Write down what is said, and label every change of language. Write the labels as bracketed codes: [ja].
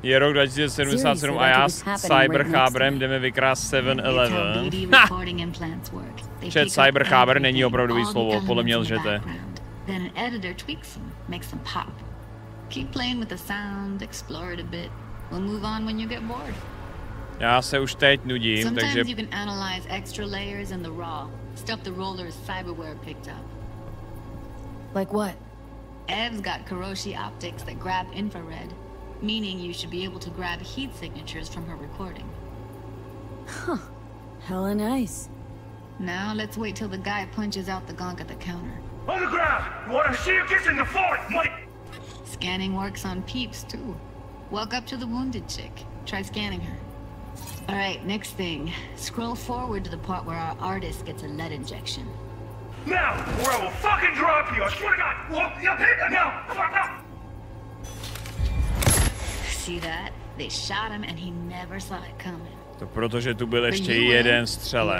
[cs] Je rok 2077 a já s Cyberchábrem jdeme vykrást 7-11. Ha! Chat Cyberchábr není opravdu slovo, podle mě lžete. [en] Then an editor tweaks them, makes them pop. Keep playing with the sound, explore it a bit. We'll move on when you get bored. [cs] Já se už teď nudím, takže... [en] Sometimes you can analyze extra layers in the raw. Stuff the roller's cyberware picked up. Like what? Ev's got Kuroshi optics that grab infrared, meaning you should be able to grab heat signatures from her recording. Huh. Hella nice. Now let's wait till the guy punches out the gonk at the counter. On the ground! You wanna see you kissing the floor, Mike! Scanning works on peeps, too. Walk up to the wounded chick. Try scanning her. All right, next thing. Scroll forward to the part where our artist gets a lead injection. Now, or I will fucking drop you! I swear to God! Look, you hit me now! See that? They shot him and he never saw it coming. [cs] To protože tu byl ještě jeden střelec.